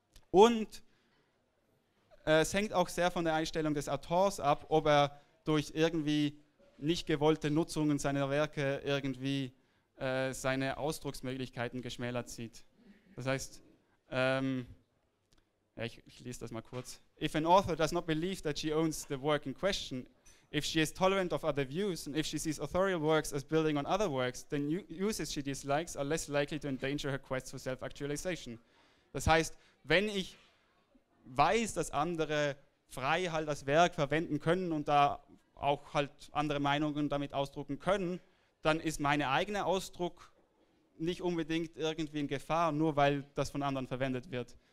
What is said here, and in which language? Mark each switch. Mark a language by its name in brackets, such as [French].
[German] Und es hängt auch sehr von der Einstellung des Autors ab, ob er durch irgendwie nicht gewollte Nutzungen seiner Werke irgendwie seine Ausdrucksmöglichkeiten geschmälert sieht. Das heißt, ich lese das mal kurz. [English] If an author does not believe that she owns the work in question, if she is tolerant of other views, and if she sees authorial works as building on other works, then uses she dislikes are less likely to endanger her quest for self-actualization. [German] Das heißt, wenn ich weiß, dass andere frei halt das Werk verwenden können und da auch halt andere Meinungen damit ausdrucken können, dann ist meine eigene Ausdruck nicht unbedingt irgendwie in Gefahr, nur weil das von anderen verwendet wird.